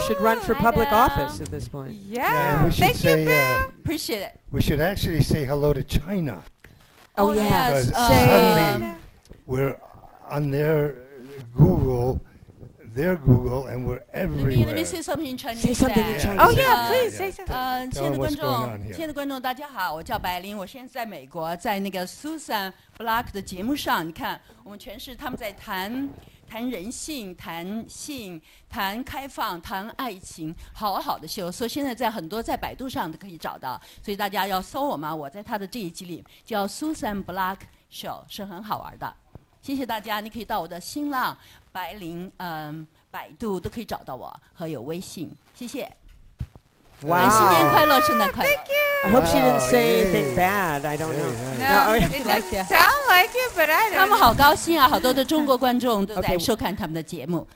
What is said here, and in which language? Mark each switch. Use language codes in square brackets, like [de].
[en] You should run for public office at this point. Yeah. Thank you, Bill. Appreciate it. We should actually say hello to China. Oh, yes. Because suddenly we're on their Google, and we're everywhere. Let me say something in Chinese. Say something in Chinese. Oh, yeah, please say something. Tell them what's going on here. [zh] 亲爱的观众，大家好，我叫白琳，我现在在美国，在那个 Susan Block 的节目上，你看，我们全是他们在谈人性，谈性，谈开放，谈爱情，好好的秀。所以现在在很多在百度上都可以找到，所以大家要搜我嘛。我在他的这一集里叫 Susan Block Show， 是很好玩的。谢谢大家，你可以到我的新浪、白灵、百度都可以找到我，和有微信。谢谢。哇！新年快乐，圣诞快乐。 [en] Thank you. I hope she didn't say anything bad. I don't know. No, it doesn't sound like it, but I don't. [zh] 他们好高兴啊！好多的中国观众都在收看他们的节目。